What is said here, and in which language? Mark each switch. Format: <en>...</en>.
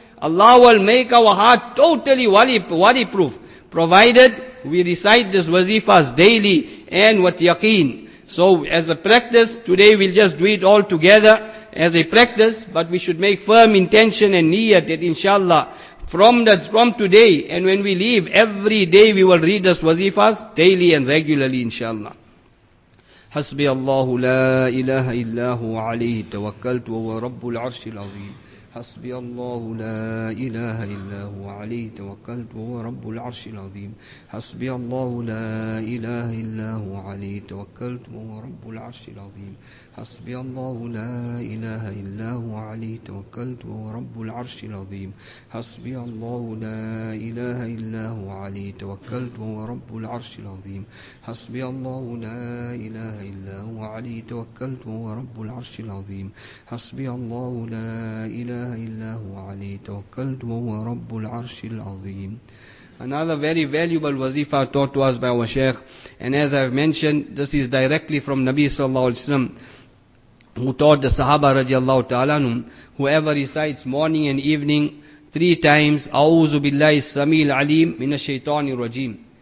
<en>Allah will make our heart totally worry-proof, provided we recite this wazifas daily and with yaqeen. So as a practice, today we'll just do it all together as a practice, but we should make firm intention and niyat that inshallah, from today and when we leave, every day we will read this wazifas daily and regularly inshallah.</en> <ar>حسبي الله لا إله إلا هو عليه توكلت وهو رب العرش العظيم حسبي الله لا إله إلا هو عليه توكلت وهو رب العرش العظيم حسبي الله لا إله إلا هو عليه توكلت وهو رب العرش العظيم حسبي الله لا إله إلا هو عليه توكلت وهو رب العرش العظيم حسبي الله لا إله إلا هو عليه توكلت وهو رب العرش العظيم حسبي الله لا إله إلا هو عليه توكلت وهو رب العرش العظيم حسبي الله لا إله إلا هو عليه توكلت وهو رب العرش العظيم.</ar> <en>Another very valuable wazifa taught to us by our Shaykh, and as I've mentioned, this is directly from Nabi sallallahu alaihi wasallam, who taught the Sahaba radiallahu ta'ala, whoever recites morning and evening three times,</en> <ar>A'udhu billahi samil alim minash shaitani rajim.</ar>